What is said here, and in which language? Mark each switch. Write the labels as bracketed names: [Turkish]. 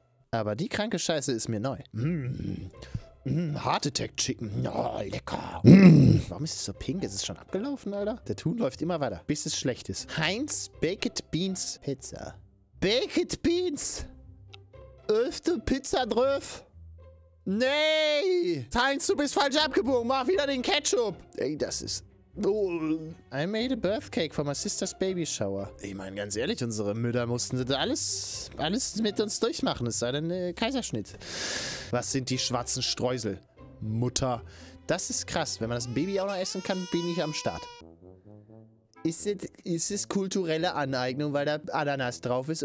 [German] Aber die kranke Scheiße ist mir neu. Heart Attack Chicken. Oh, lecker. Warum ist es so pink? Ist es schon abgelaufen, Alter? Der Huhn läuft immer weiter, bis es schlecht ist. Heinz Baked Beans Pizza. Baked Beans! Öfte Pizza drauf. Nee! Heinz, du bist falsch abgebogen. Mach wieder den Ketchup. Ey, das ist... [English] I made a birth cake for my sister's baby shower. [German] Ich meine, ganz ehrlich, unsere Mütter mussten das alles mit uns durchmachen. Es sei denn, Kaiserschnitt. Was sind die schwarzen Streusel? Mutter. Das ist krass. Wenn man das Baby auch noch essen kann, bin ich am Start. Ist es kulturelle Aneignung, weil da Ananas drauf ist?